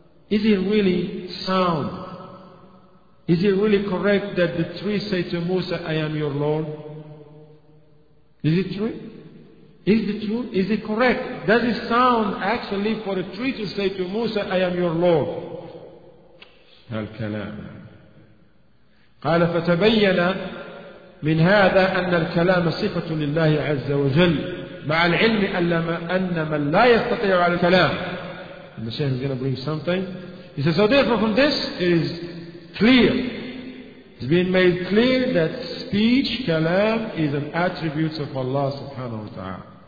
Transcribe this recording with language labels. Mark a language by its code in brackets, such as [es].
[en] Is it really sound? Is it really correct that the tree say to Musa, I am your Lord? Is it true? Is it true? Is it correct? Does it sound actually for a tree to say to Musa, I am your Lord? [ar] Al-Kalam. قال فتبين من هذا أن الكلام صفة لله عز وجل مع العلم أن من لا يستطيع على الكلام. [en] And the Shaykh is going to bring something. He says, so therefore from this it is clear, it's been made clear that speech, kalam, is an attribute of Allah subhanahu wa ta'ala.